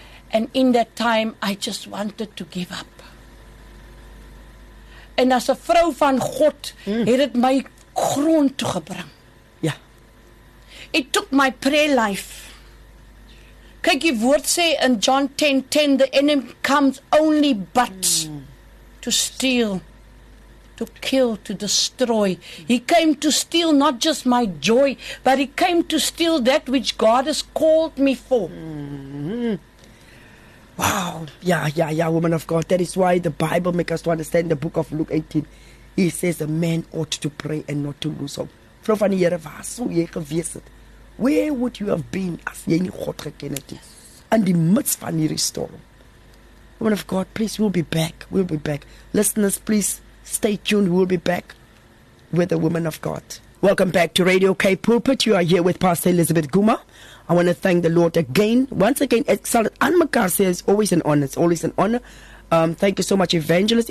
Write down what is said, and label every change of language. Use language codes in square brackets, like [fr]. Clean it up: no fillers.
[en] And in that time, I just wanted to give up. [af] En as 'n vrou van God, het dit my grond toe gebring. Ja. [en] It took my prayer life. [af] Kyk, die woord sê in [en] John 10:10, the enemy comes only but to steal, to kill, to destroy. He came to steal not just my joy, but he came to steal that which God has called me for. Wow. Yeah, woman of God. That is why the Bible makes us to understand the book of Luke 18. He says a man ought to pray and not to lose hope. [af] vrou van die Here, waar sou jy gewees het? [en] Where would you have been [af] as jy nie God geken het nie? In die [en] midst [af] van hierdie storm. [en] Woman of God, please, we'll be back. We'll be back. Listeners, please, stay tuned. We'll be back with the woman of God. Welcome back to Radio K Pulpit. You are here with Pastor Elizabeth Guma. I want to thank the Lord again. Once again, Exalted Anne Makar says, always an honor. It's always an honor. Thank you so much, Evangelist.